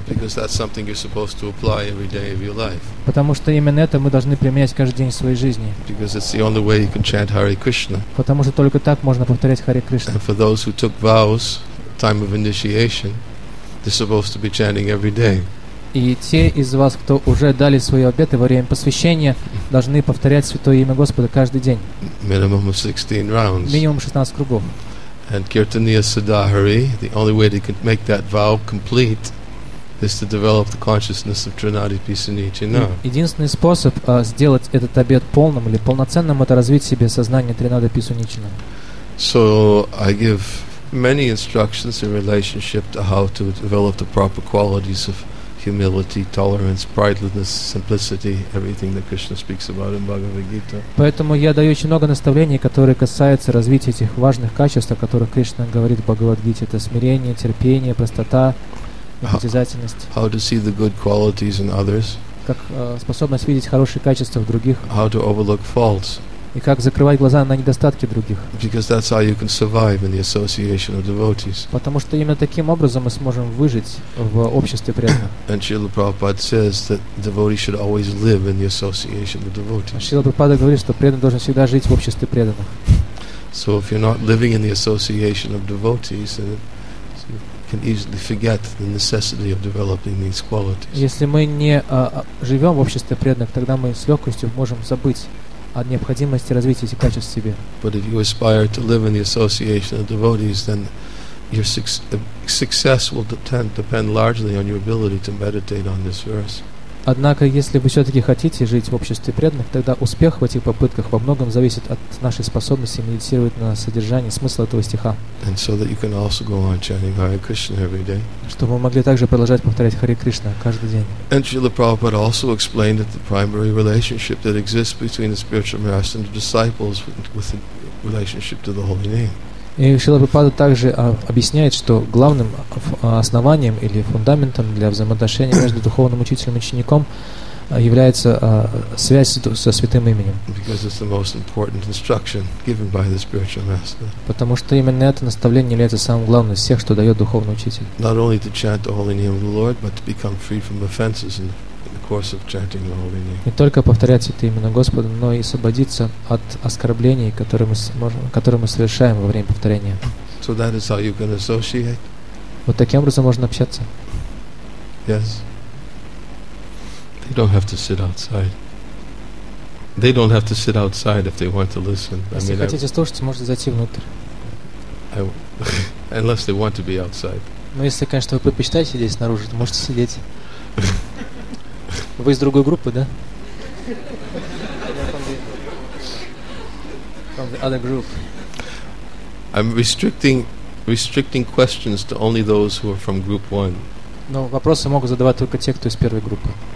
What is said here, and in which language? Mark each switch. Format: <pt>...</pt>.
<en>Because that's something you're supposed to apply every day of your life.</en> <ru>Потому что именно это мы должны применять каждый день в своей жизни.</ru> <en>Because it's the only way you can chant Hare Krishna.</en> <ru>Потому что только так можно повторять Харе Кришна.</ru> <en>And for those who took vows time of initiation, they're supposed to be chanting every day.</en> <ru>И те из вас, кто уже дали свои обеты во время посвящения, должны повторять Святое Имя Господа каждый день.</ru> <en>Minimum of 16 rounds.</en> <ru>Минимум 16 кругов.</ru> <en>And Kirtaniya Sadahari, the only way to make that vow complete is to develop the consciousness of Trinadi Pisanichina.</en> <ru>Единственный способ сделать этот обет полным или полноценным — это развить в себе сознание Тринады Писуничина.</ru> <en>So I give many instructions in relationship to how to develop the proper qualities of humility, tolerance, pridefulness, simplicity, everything that Krishna speaks about in Bhagavad Gita.</en> <ru>Поэтому я даю очень много наставлений, которые касаются развития этих важных качеств, о которых Кришна говорит в Бхагавад Гите. Это смирение, терпение, простота, непритязательность.</ru> <en>How to see the good qualities in others.</en> <ru>Как способность видеть хорошие качества в других.</ru> <en>How to overlook faults.</en> <ru>И как закрывать глаза на недостатки других.</ru> <en>Because that's how you can survive in the association of devotees.</en> <ru>Потому что именно таким образом мы сможем выжить в обществе преданных.</ru> <en>And Srila Prabhupada says that devotee should always live in the association of devotees.</en> <ru>Srila Prabhupada говорит, что преданный должен всегда жить в обществе преданных.</ru> <en>So if you're not living in the association of devotees, then you can easily forget the necessity of developing these qualities.</en> <ru>Если мы не живем в обществе преданных, тогда мы с легкостью можем забыть о необходимости развить эти качества в себе.</ru> <en>But if you aspire to live in the association of devotees, then your success will depend largely on your ability to meditate on this verse.</en> <ru>Однако, если вы все-таки хотите жить в обществе преданных, тогда успех в этих попытках во многом зависит от нашей способности медитировать на содержание, смысл этого стиха.</ru> <en>And so that you can also go on chanting Hare Krishna every day.</en> <ru>Чтобы вы могли также продолжать повторять Харе Кришна каждый день.</ru> <en>And Srila Prabhupada also explained that the primary relationship that exists between the spiritual master and the disciples with the relationship to the holy name.</en> <ru>И Шрила Прабхупада также объясняет, что главным основанием или фундаментом для взаимоотношений между духовным учителем и учеником является связь со Святым Именем.</ru> <en>Because it's the most important instruction given by the spiritual master.</en> <ru>Потому что именно это наставление является самым главным из всех, что дает духовный учитель.</ru> <en>Not only to chant the holy name of the Lord, but to become free from offenses in the course of chanting the holy name.</en> <ru>Не только повторять это имя Господа, но и освободиться от оскорблений, которые мы совершаем во время повторения.</ru> <en>So that is how you can associate.</en> <ru>Вот таким образом можно общаться.</ru> <en>Yes. They don't have to sit outside. They don't have to sit outside if they want to listen.</en> <ru>Если хотите слушать, можете зайти внутрь.</ru> <en>Unless they want to be outside.</en> <ru>Но если, конечно, вы предпочитаете здесь снаружи, то можете сидеть. Вы из другой группы, да?</ru> <en>From the other group. I'm restricting questions to only those who are from group one.</en> <ru>Но вопросы могут задавать только те, кто из первой группы.</ru>